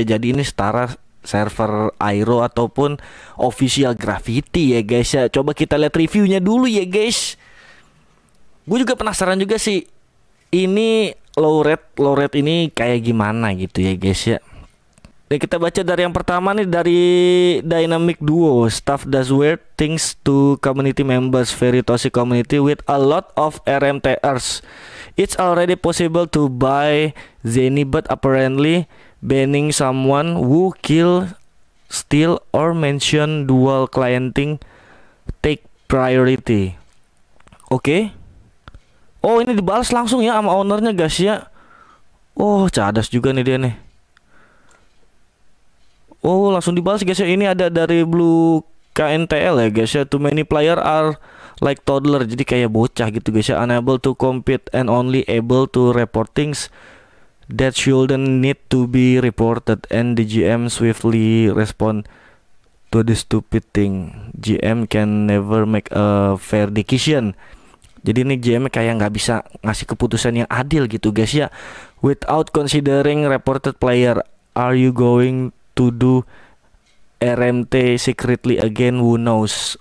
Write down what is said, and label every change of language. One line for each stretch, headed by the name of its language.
Indonesian: Jadi ini setara server Airo ataupun official graffiti ya guys ya. Coba kita lihat reviewnya dulu ya guys. Gue juga penasaran juga sih, ini low rate ini kayak gimana gitu ya guys ya. Nah, kita baca dari yang pertama nih, dari Dynamic Duo.
English: Staff does weird things to community members. Very toxic community with a lot of RMTRs. It's already possible to buy Zeni, but apparently banning someone who kill, steal, or mention dual clienting take priority.
Indonesian: Oke. Okay. Oh, ini dibalas langsung ya sama ownernya guys ya. Oh, cadas juga nih dia nih. Oh langsung dibalas guys ya. Ini ada dari Blue KNTL ya guys ya.
English: Too many player are like toddler.
Indonesian: Jadi kayak bocah gitu guys ya.
English: Unable to compete and only able to report things that shouldn't need to be reported. And the GM swiftly respond to the stupid thing. GM can never make a fair decision.
Indonesian: Jadi ini GM kayak gak bisa ngasih keputusan yang adil gitu guys ya.
English: Without considering reported player, are you going to do RMT secretly again, who knows.